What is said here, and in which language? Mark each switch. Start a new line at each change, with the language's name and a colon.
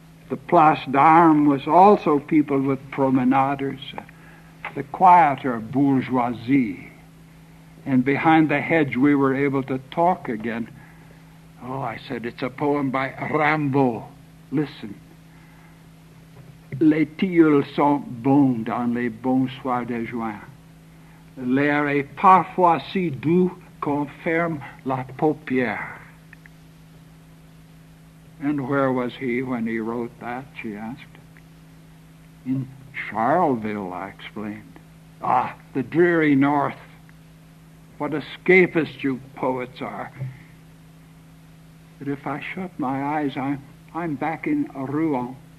English: The Place d'Armes was also peopled with promenaders, the quieter bourgeoisie. And behind the hedge, we were able to talk again. Oh, I said, it's a poem by Rimbaud. Listen.
French: Les tilleuls sont bons dans les bons soirs de juin. L'air est parfois si doux qu'on ferme la paupière.
English: And where was he when he wrote that, she asked. In Charleville, I explained. Ah, the dreary north. What escapists you poets are. But if I shut my eyes, I'm back in Rouen.